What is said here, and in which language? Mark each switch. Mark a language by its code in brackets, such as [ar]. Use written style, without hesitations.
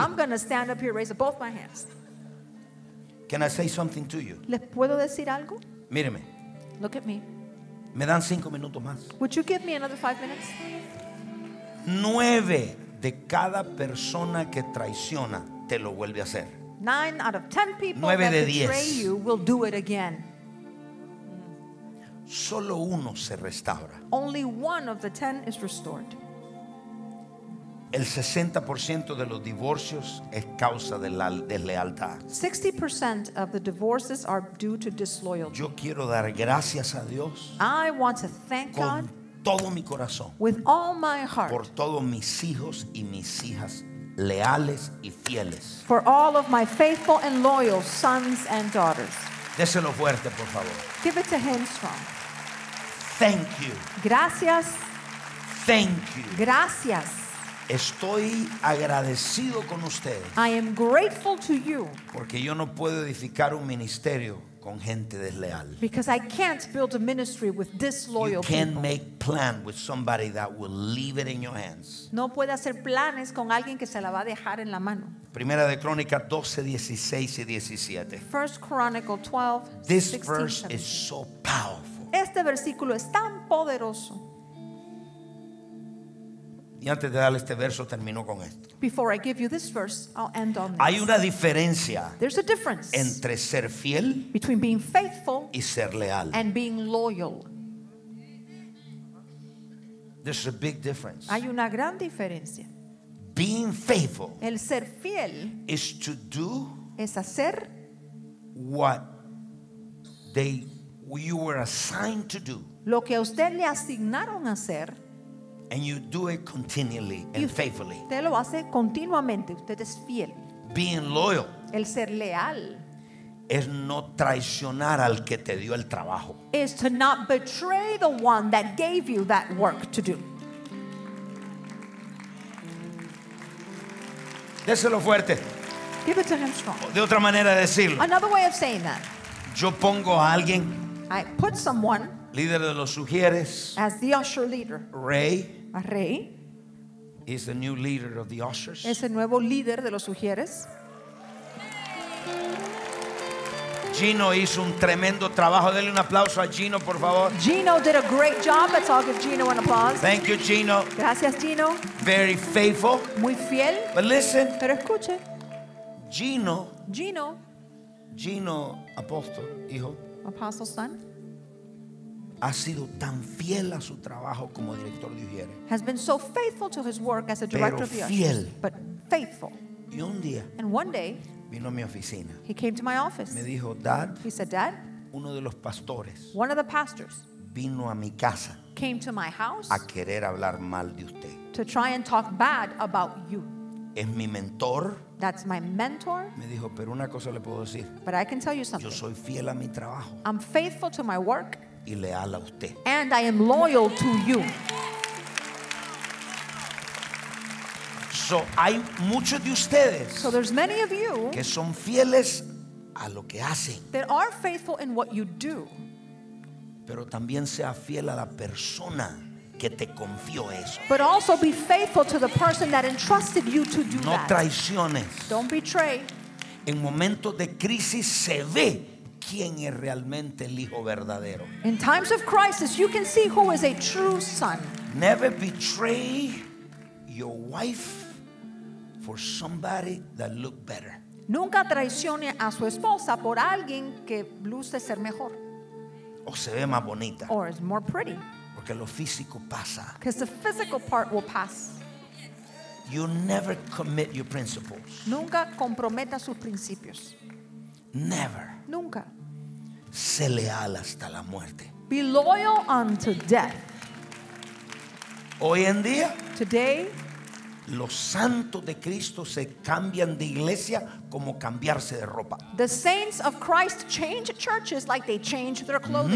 [en] I'm going to stand up here, raise up both my hands. Can I say something to you? [es] ¿Les puedo decir algo? Míreme. [en] Look at me. [es] Me dan 5 minutos más. [en] Would you give me another 5 minutes? [es] 9 de cada persona que traiciona te lo vuelve a hacer. [en] 9 out of 10 people that betray you will do it again. [es] Solo uno se restaura. [en] Only one of the 10 is restored. [es] El 60% de los divorcios es causa de la deslealtad. [en] 60% of the divorces are due to disloyalty. [es] Yo quiero dar gracias a Dios. [en] I want to thank [es] con [en] God [es] todo mi corazón. [en] With all my heart. [es] Por todos mis hijos y mis hijas leales y fieles. [en] For all of my faithful and loyal sons and daughters. [es] Déselo fuerte, por favor. [en] Give it to him strong. Thank you. [es] Gracias. [en] Thank you. [es] Gracias. Estoy agradecido con ustedes. [en] I am grateful to you. [es] Porque yo no puedo edificar un ministerio con gente desleal. [en] Because I can't build a ministry with disloyal people. You can't people. Make plan with somebody that will leave it in your hands. [es] No puede hacer planes con alguien que se la va a dejar en la mano. Primera de Crónicas 12:16-17. [en] First Chronicle 12. This 16, verse 17. Is so powerful. [es] Este versículo es tan poderoso. Y antes de darle este verso, termino con esto. [en] Before I give you this verse, I'll end on this. [es] Hay una diferencia. [en] There's a difference. [es] Entre ser fiel. [en] Between being faithful. [es] Y ser leal. [en] And being loyal. There's a big difference. [es] Hay una gran diferencia. [en] Being faithful. [es] El ser fiel. [en] Is to do. [es] Es hacer. [en] What you were assigned to do. [es] Lo que a usted le asignaron hacer. [en] And you do it continually and faithfully. [es] Usted lo hace continuamente. Usted es fiel. [en] Being loyal. [es] El ser leal. Es no traicionar al que te dio el trabajo. [en] Is to not betray the one that gave you that work to do. [es] Déselo fuerte. [en] Give it to him strong. [es] De otra manera de decirlo. [en] Another way of saying that. [es] Yo pongo a alguien. [en] I put someone. [es] Líder de los sugieres. [en] As the usher leader. [es] Rey. [en] A Rey. Is the new leader of the ushers. [es] Es el nuevo líder de los sugieres. Gino hizo un tremendo trabajo. Dele un aplauso a Gino, por favor. [en] Gino did a great job. Let's all give Gino an applause. Thank you, Gino. [es] Gracias, Gino. [en] Very faithful. [es] Muy fiel. [en] But listen. [es] Pero escuche. Gino. Gino. Gino, apóstol, hijo. [en] Apostle son. [es] Ha sido tan fiel a su trabajo como director de ujieres. [en] Has been so faithful to his work as a director of the ushers. [es] Pero fiel. [en] But faithful. [es] Y un día. [en] And one day. [es] Vino a mi oficina. [en] He came to my office. [es] Me dijo, Dad. [en] He said, Dad. [es] Uno de los pastores. [en] One of the pastors. [es] Vino a mi casa. [en] Came to my house. [es] A querer hablar mal de usted. [en] To try and talk bad about you. [es] Es mi mentor. [en] That's my mentor. [es] Me dijo, pero una cosa le puedo decir. [en] But I can tell you something. [es] Yo soy fiel a mi trabajo. [en] I'm faithful to my work. [es] Y leal a usted. [en] And I am loyal to you. [es] So hay muchos de ustedes. [en] So there's many of you. [es] Que son fieles a lo que hacen. [en] That are faithful in what you do. [es] Pero también sea fiel a la persona que te confió eso. [en] But also be faithful to the person that entrusted you to do [es] no [en] that. [es] No traiciones. [en] Don't betray. [es] En momentos de crisis se ve quién es realmente el hijo verdadero. [en] In times of crisis, you can see who is a true son. Never betray your wife for somebody that look better. [es] Nunca traicione a su esposa por alguien que luce ser mejor. O se ve más bonita. [en] Or is more pretty. [es] Porque lo físico pasa. [en] Because the physical part will pass. You never commit your principles. [es] Nunca comprometa sus principios. [en] Never. [es] Nunca. Sé leal hasta la muerte. [en] Be loyal unto death. [es] Hoy en día, [en] today, [es] los santos de Cristo se cambian de iglesia como cambiarse de ropa. [en] The saints of Christ change churches like they change their clothing.